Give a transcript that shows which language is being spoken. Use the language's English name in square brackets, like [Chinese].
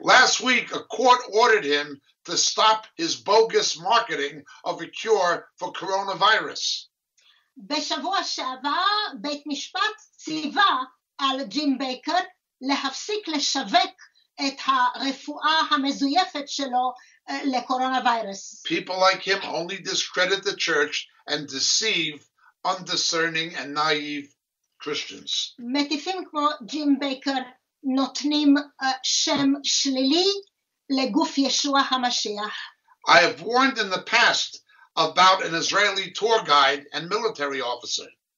[English] Last week a court ordered him to stop his bogus marketing of a cure for coronavirus. [Hebrew] בשבוע שעבר בית משפט ציווה על ג'ים בייקר להפסיק לשווק את הרפואה המזויפת שלו לקורונה-וירוס. [English] People like him only discredit the church and deceive undiscerning and naive Christians. [Hebrew] מטיפים כמו ג'ים בייקר נותנים שם שלילי לגוף ישוע המשיח. [English] I have warned in the past about an Israeli tour guide and military officer.